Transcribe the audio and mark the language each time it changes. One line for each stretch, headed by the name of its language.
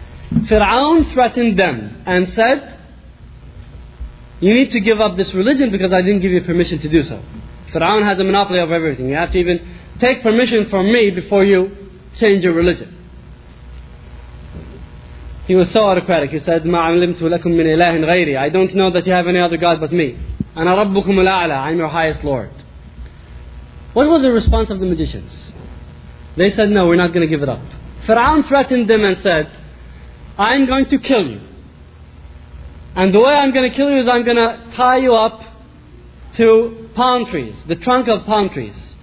English: Fir'aun threatened them and said, you need to give up this religion because I didn't give you permission to do so. Pharaoh has a monopoly of everything. You have to even take permission from me before you change your religion. He was so autocratic. He said,
Arabic: مَا عَلِمْتُ لَكُم مِّنْ إِلَهٍ غَيْرِي.
English: I don't know that you have any other God but me.
Arabic: أَنَا رَبُّكُمُ الْأَعْلَى.
English: I'm your highest Lord. What was the response of the magicians? They said, no, we're not going to give it up. Pharaoh threatened them and said, I'm going to kill you. And the way I'm going to kill you is I'm going to tie you up to palm trees, the trunk of palm trees.